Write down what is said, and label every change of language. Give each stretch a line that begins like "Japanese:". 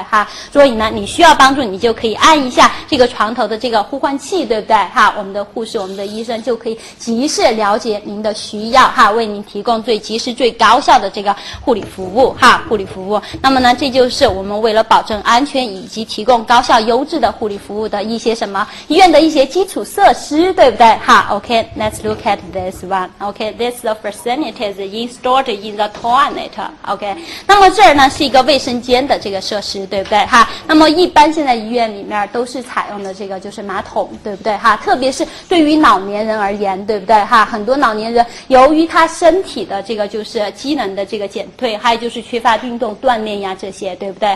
Chinese: 哈，所以呢，你需要帮助，你就可以按一下这个床头的这个呼唤器，对不对？哈，我们的护士、我们的医生就可以及时了解您的需要，哈，为您提供最及时、最高效的这个护理服务，哈，护理服务。那么呢，这就是我们为了保证安全以及提供高效、优质的护理服务的一些什么医院的一些基础设施，对。对不对？哈
English: ，OK， let's look at this one. OK， this the facility is installed in the toilet.
Chinese: OK， 那么这儿呢是一个卫生间的这个设施，对不对？哈，那么一般现在医院里面都是采用的这个就是马桶，对不对？哈，特别是对于老年人而言，对不对？哈，很多老年人由于他身体的这个就是机能的这个减退，还有就是缺乏运动锻炼呀这些，对不对？